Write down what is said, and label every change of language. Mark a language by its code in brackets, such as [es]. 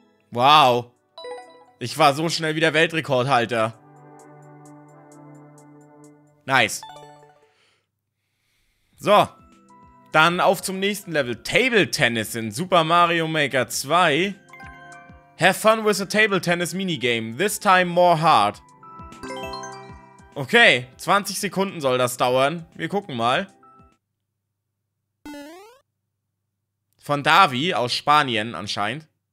[de] Wow. Ich war so schnell wieder Weltrekordhalter. Nice. So. Dann auf zum nächsten Level. [en] Table Tennis in Super Mario Maker 2. Have fun with a Table Tennis Minigame. This time more hard. [de] Okay, 20 Sekunden soll das dauern. Wir gucken mal. Von Davi aus Spanien anscheinend.